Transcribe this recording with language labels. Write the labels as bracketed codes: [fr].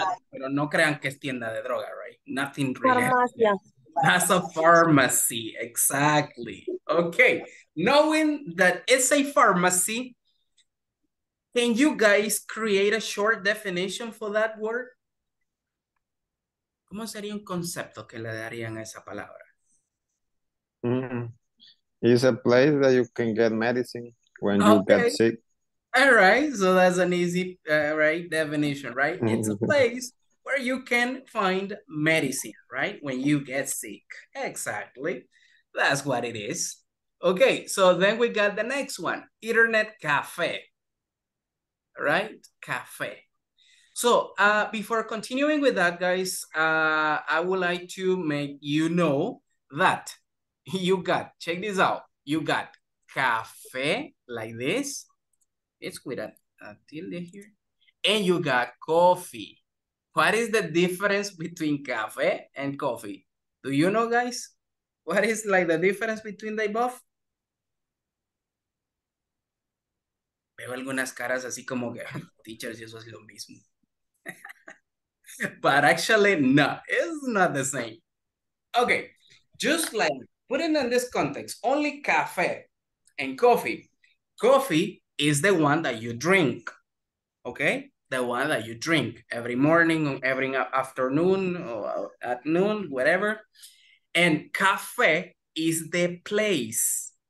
[es] Pero no crean que es tienda de droga, [en] right? Nothing really. Farmacia. That's a pharmacy, exactly. Okay, knowing that it's a pharmacy, can you guys create a short definition for that word? [es] ¿Cómo sería un concepto que le darían a esa palabra? [en] It's a place that you can get medicine when you get sick. All right, so that's an easy right definition, right? It's a place where you can find medicine, right? When you get sick. Exactly. That's what it is. Okay, so then we got the next one. Internet cafe. Right? Cafe. So before continuing with that, guys, I would like to make you know that you got, check this out, you got cafe like this. It's with a tilde here. And you got coffee. What is the difference between cafe and coffee? Do you know, guys? What is like the difference between the both? [es] Veo algunas caras así como que, teachers, eso es lo mismo. [en] But actually, no, it's not the same. Okay, just like putting in this context, only cafe and coffee. Coffee is the one that you drink, okay? The one that you drink every morning, every afternoon, or at noon, whatever. And cafe is the place,